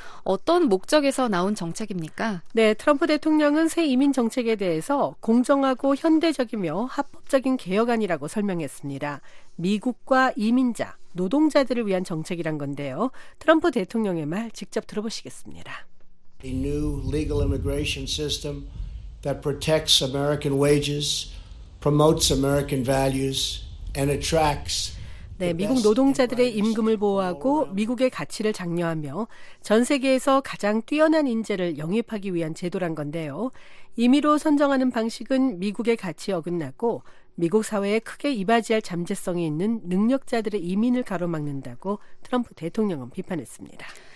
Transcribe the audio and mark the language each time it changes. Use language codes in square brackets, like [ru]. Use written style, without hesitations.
[ko] 어떤 목적에서 나온 정책입니까? 네, 트럼프 대통령은 새 이민 정책에 대해서 공정하고 현대적이며 합법적인 개혁안이라고 설명했습니다. 미국과 이민자, 노동자들을 위한 정책이란 건데요. 트럼프 대통령의 말 직접 들어보시겠습니다. [en] A new legal immigration system that protects American wages, promotes American values, and attracts [ko] 네, 미국 노동자들의 임금을 보호하고 미국의 가치를 장려하며 전 세계에서 가장 뛰어난 인재를 영입하기 위한 제도란 건데요. 임의로 선정하는 방식은 미국의 가치에 어긋나고 미국 사회에 크게 이바지할 잠재성이 있는 능력자들의 이민을 가로막는다고 트럼프 대통령은 비판했습니다.